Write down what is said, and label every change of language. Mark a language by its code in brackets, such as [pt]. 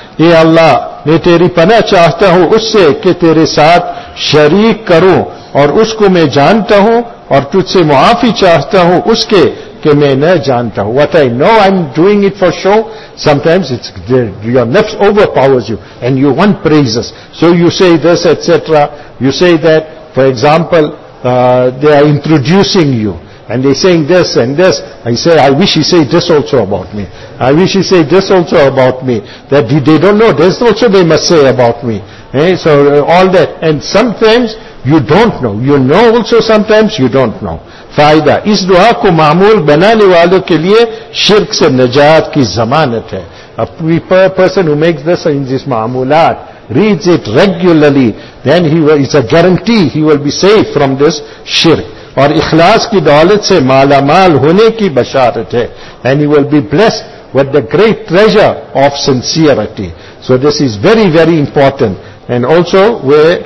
[ur] اے اللہ میں تیری پناہ چاہتا ہوں اس سے کہ تیرے ساتھ شریک کروں اور اس کو میں جانتا ہوں [en] اور تجھ سے معافی چاہتا ہوں اس کے کہ میں نہ جانتا ہوں what I know I'm doing it for show sometimes it's your nafs overpowers you and you want praises so you say this etc you say that for example they are introducing you And they're saying this and this. I say, I wish he said this also about me. I wish he said this also about me. That they don't know, this also they must say about me. So all that. And sometimes you don't know. You know also sometimes you don't know. [ur] فائدہ اس دعا کو معمول بنانے والوں کے لیے شرک سے نجات کی ضمانت ہے. [en] A person who makes this in this معمولات reads it regularly. Then it's a guarantee he will be safe from this shirk. [ur] اور اخلاص کی دولت سے مالا مال ہونے کی بشارت ہے [en] and he will be blessed with the great treasure of sincerity so this is very very important and also we